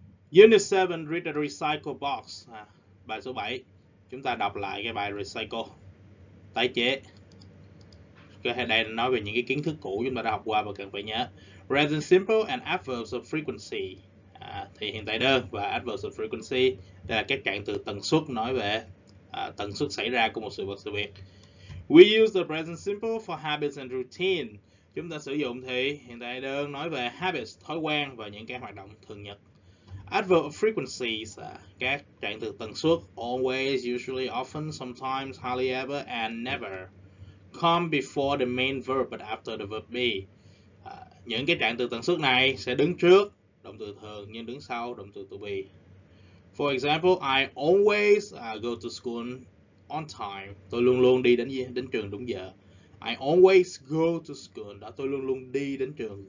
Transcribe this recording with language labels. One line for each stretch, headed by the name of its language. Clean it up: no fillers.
English: Unit 7, read the recycle box.
Vietnamese: Bài số 7, chúng ta đọc lại cái bài recycle, tái chế. Cái đây nói về những cái kiến thức cũ chúng ta đã học qua và cần phải nhớ.
English: Present simple and adverbs of frequency.
Vietnamese: Thì hiện tại đơn và
English: adverbs of frequency
Vietnamese: là các cạn từ tần suất nói về tần suất xảy ra của một sự vật sự việc.
English: We use the present simple for habits and routine.
Vietnamese: Chúng ta sử dụng thì hiện tại đơn nói về habits, thói quen và những cái hoạt động thường nhật. Adverbs of frequency là các cạn từ tần suất
English: always, usually, often, sometimes, hardly ever and never. Come before the main verb but after the verb be.
Vietnamese: Những cái trạng từ tần suất này sẽ đứng trước động từ thường nhưng đứng sau động từ to be.
English: For example, I always go to school on time.
Vietnamese: Tôi luôn luôn đi đến trường đúng giờ.
English: I always go to school.
Vietnamese: Đó, tôi luôn luôn đi đến trường.